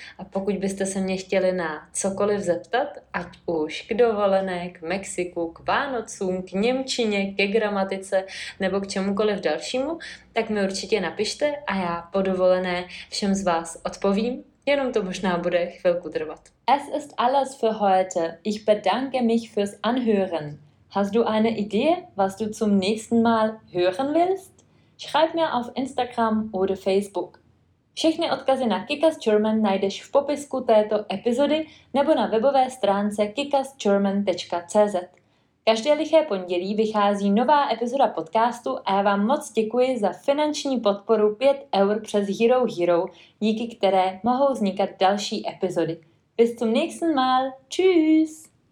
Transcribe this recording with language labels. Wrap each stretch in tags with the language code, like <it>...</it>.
<cs>A pokud byste se mě chtěli na cokoliv zeptat, ať už k dovolené, k Mexiku, k Vánocům, k němčině, ke gramatice nebo k čemukoliv dalšímu, tak mi určitě napište a já po dovolené všem z vás odpovím, jenom to možná bude chvilku trvat.</cs> <de>Es ist alles für heute. Ich bedanke mich fürs Anhören. Hast du eine Idee, was du zum nächsten Mal hören willst? Schreib mir auf Instagram oder Facebook.</de> <cs>Všechny odkazy na Kickass German najdeš v popisku této epizody nebo na webové stránce kickassgerman.cz. Každé liché pondělí vychází nová epizoda podcastu a já vám moc děkuji za finanční podporu 5 eur přes Hero Hero, díky které mohou vznikat další epizody.</cs> <de>Bis zum nächsten Mal. Tschüss!</de>